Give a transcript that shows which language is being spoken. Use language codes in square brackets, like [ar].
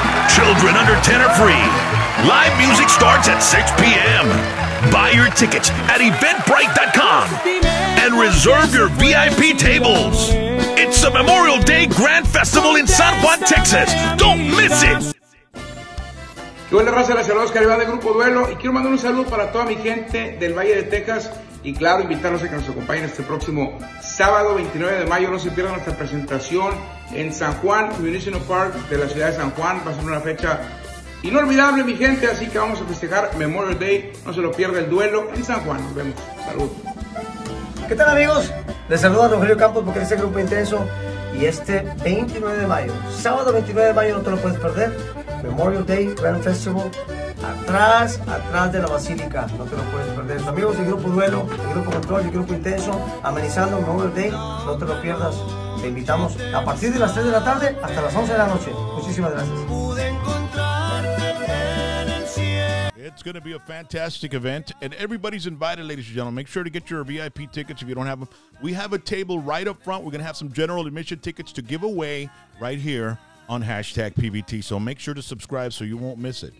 [en] Children under 10 are free. Live music starts at 6 p.m. Buy your tickets at eventbrite.com and reserve your VIP tables. It's the Memorial Day Grand Festival in San Juan, Texas. Don't miss it! [es] ¿Qué onda, raza? Gracias a los que arriban del Grupo Duelo. Y quiero mandar un saludo para toda mi gente del Valle de Texas. Y claro, invitarlos a que nos acompañen este próximo sábado 29 de mayo. No se pierdan nuestra presentación en San Juan, Municipal Park de la ciudad de San Juan. Va a ser una fecha inolvidable, mi gente. Así que vamos a festejar Memorial Day. No se lo pierda el duelo en San Juan. Nos vemos. Saludos. ¿Qué tal, amigos? Les saluda Rogelio Campos porque es el Grupo Intenso y este 29 de mayo, sábado 29 de mayo, no te lo puedes perder, Memorial Day Grand Festival, atrás de la Basílica, no te lo puedes perder. Los amigos del Grupo Duelo, el Grupo Control y el Grupo Intenso, amenizando Memorial Day, no te lo pierdas. Te invitamos a partir de las 3 de la tarde hasta las 11 de la noche. Muchísimas gracias. [en] It's going to be a fantastic event, and everybody's invited, ladies and gentlemen. Make sure to get your VIP tickets if you don't have them. We have a table right up front. We're going to have some general admission tickets to give away right here on hashtag PVT. So make sure to subscribe so you won't miss it.